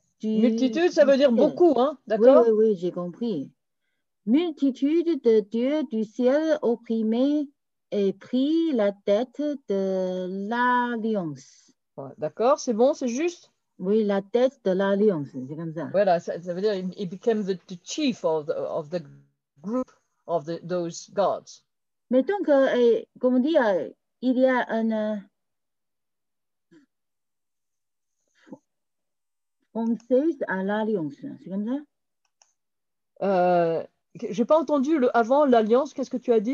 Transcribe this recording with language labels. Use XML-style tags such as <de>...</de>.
<fr>multitude, ça veut dire beaucoup, hein? D'accord? Oui, oui, oui, j'ai compris. Multitude de dieux du ciel opprimés et pris la tête de l'Alliance. Ouais, d'accord, c'est bon, c'est juste? Oui, la tête de l'Alliance, c'est comme ça. Voilà, ça veut dire</fr> <en>he became the chief of the group. Of the, those gods.</en> <fr>Mais donc, comment dire, il y a un française à l'alliance, c'est comme ça? J'ai pas entendu le avant l'alliance. Qu'est-ce que tu as dit?</fr>